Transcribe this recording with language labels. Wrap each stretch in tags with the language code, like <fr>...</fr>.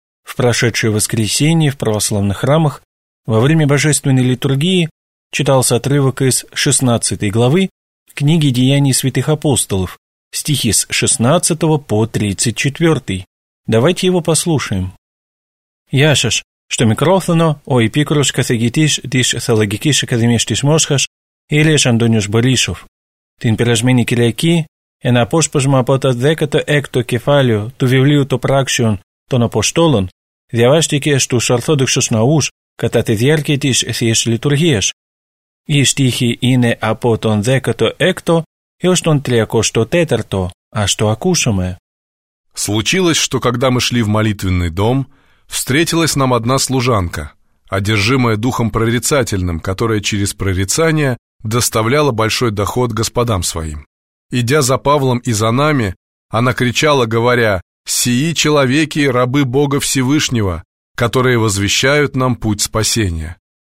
<ru>В прошедшее воскресенье в православных храмах во время божественной литургии читался отрывок из 16 главы книги Деяний святых апостолов, стихи с 16 по 34. Давайте его послушаем. Яшаш.</ru> <el>Στο μικρόφωνο ο επίκουρος καθηγητής της Θεολογικής Ακαδημίας της Μόσχας, Ήλιας Αντώνιος Μπορίσοφ. Την περασμένη Κυριακή, ένα απόσπασμα από το 16ο κεφάλαιο του βιβλίου των Πράξεων των Αποστόλων διαβάστηκε στους Ορθόδοξους Ναούς κατά τη διάρκεια της Θείας Λειτουργίας. Οι στίχοι είναι από τον 16ο έως τον 34ο. Ας το ακούσουμε.</el> <ru>Случилось, что когда мы шли в молитвенный дом, встретилась нам одна служанка, одержимая духом прорицательным, которая через прорицание доставляла большой доход господам своим. Идя за Павлом и за нами, она кричала, говоря: «Сии человеки, рабы Бога Всевышнего, которые возвещают нам путь спасения».</ru>